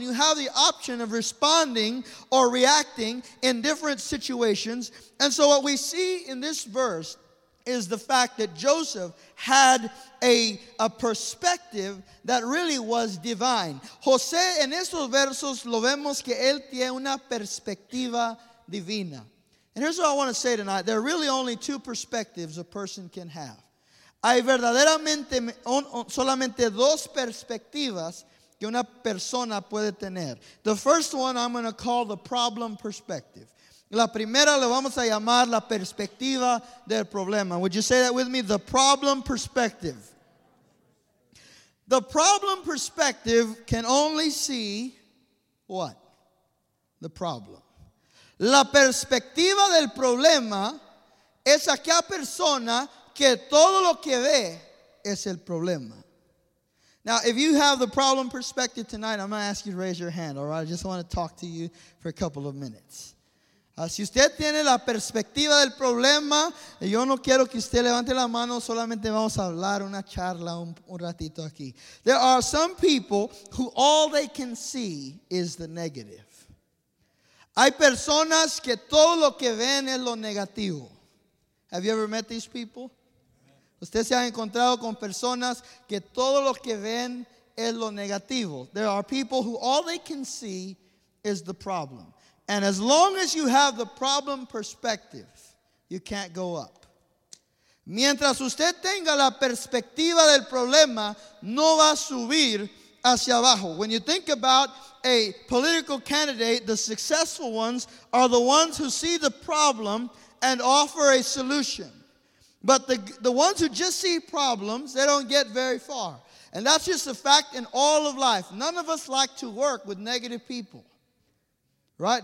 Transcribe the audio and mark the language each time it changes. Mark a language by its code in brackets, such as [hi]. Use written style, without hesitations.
[en] You have the option of responding or reacting in different situations. And so what we see in this verse is the fact that Joseph had a perspective that really was divine. [es] José, en estos versos, lo vemos que él tiene una perspectiva divina. [en] And here's what I want to say tonight. There are really only two perspectives a person can have. [es] Hay verdaderamente solamente dos perspectivas que una persona puede tener. [en] The first one I'm going to call the problem perspective. [es] La primera le vamos a llamar la perspectiva del problema. [en] Would you say that with me? The problem perspective. The problem perspective can only see what? The problem. [es] La perspectiva del problema es aquella persona que todo lo que ve es el problema. [en] Now, if you have the problem perspective tonight, I'm going to ask you to raise your hand, all right? I just want to talk to you for a couple of minutes. [es] Si usted tiene la perspectiva del problema, yo no quiero que usted levante la mano, solamente vamos a hablar una charla un ratito aquí. [en] There are some people who all they can see is the negative. [es] Hay personas que todo lo que ven es lo negativo. [en] Have you ever met these people? [es] Usted se ha encontrado con personas que todo lo que ven es lo negativo. [en] There are people who all they can see is the problem. And as long as you have the problem perspective, you can't go up. [es] Mientras usted tenga la perspectiva del problema, no va a subir hacia abajo. [en] When you think about a political candidate, the successful ones are the ones who see the problem and offer a solution. But the ones who just see problems, they don't get very far. And that's just a fact in all of life. None of us like to work with negative people, right?